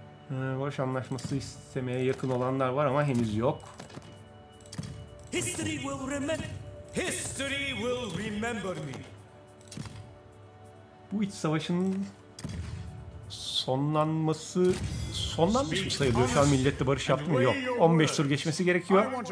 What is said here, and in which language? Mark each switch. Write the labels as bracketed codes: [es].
[tr] Barış anlaşması istemeye yakın olanlar var ama henüz yok. [en] History will remember me. [tr] Bu iç savaşın sonlanmış mı sayılıyor? Şu an milletle barış yaptı mı? Yok. 15 tur geçmesi gerekiyor.